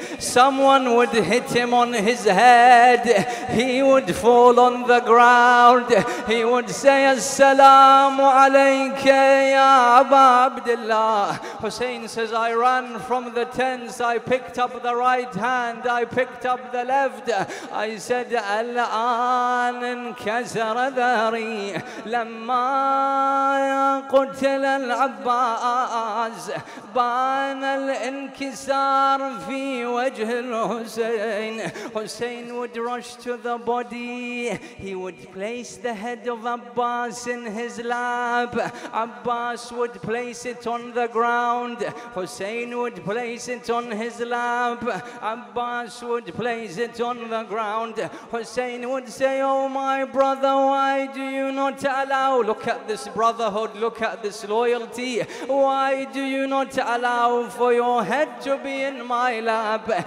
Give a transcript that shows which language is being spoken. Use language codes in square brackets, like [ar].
[en] Someone would hit him on his head. He would fall on the ground. He would say, [ar] As-salamu alayka ya Aba Abdullah. [en] Hussein says, I ran from the tents. I picked up the right hand. I picked up the left. [ar] I said, Al-an انكسر ذهري لما قتل العباس بان الانكسار في وجه الحسين. [en] Hussein would rush to the body. He would place the head of Abbas in his lap. Abbas would place it on the ground. Hussein would place it on his lap. Abbas would place it on the ground. Hussein would say, oh my brother, why do you not allow, look at this brotherhood, look at this loyalty, why do you not allow for your head to be in my lap?